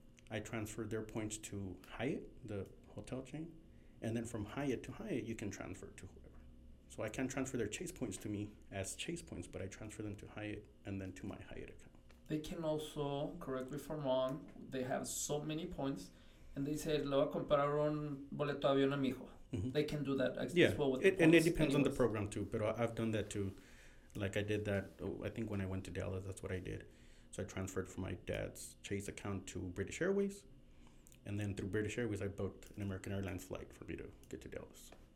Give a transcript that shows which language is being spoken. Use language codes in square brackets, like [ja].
[en] I transfer their points to Hyatt, the hotel chain. And then from Hyatt to Hyatt, you can transfer to whoever. So I can transfer their Chase points to me as Chase points, but I transfer them to Hyatt and then to my Hyatt account. They can also, correct me if I'm wrong, they have so many points. And they say, [es] le voy a comprar un boleto de avión a mi hijo. Mm-hmm. [en] They can do that as well with the points. And it depends on the program too. But I've done that too. Like, I did that, I think when I went to Dallas, that's what I did. So I transferred from my dad's Chase account to British Airways. And then through British Airways, I booked an American Airlines flight for me to get to Dallas.